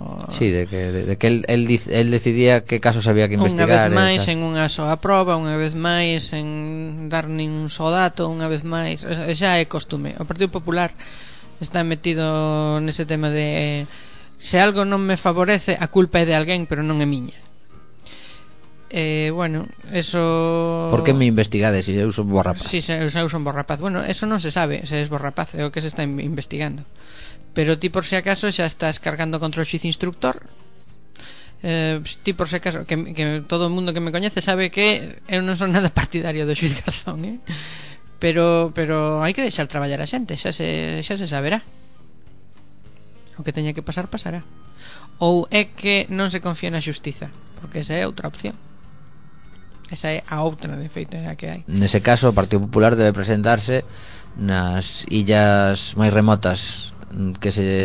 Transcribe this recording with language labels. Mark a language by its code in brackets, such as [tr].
[es] Sí, de que él decidía que casos había que investigar. [gl] Unha vez máis en unha soa prova, unha vez máis en dar nin un só dato, unha vez máis. Xa é costume. O Partido Popular está metido nese tema de se algo non me favorece, a culpa é de alguén, pero non é miña. Bueno, eso... ¿Por qué me investigades si eu son bo rapaz? Si eu son bo rapaz. Bueno, eso non se sabe se es bo rapaz o que se está investigando. Pero ti por si acaso xa estás cargando contra o xuiz instructor. Ti por si acaso que todo o mundo que me coñece sabe que eu non son nada partidario do xuiz Garzón, eh? Pero hai que deixar traballar a xente. Xa se saberá. O que teña que pasar, pasará. Ou é que non se confía na xustiza, porque esa é outra opción. Esa é a outra, de feito, a que hai. Nese caso, o Partido Popular debe presentarse nas illas máis remotas que se,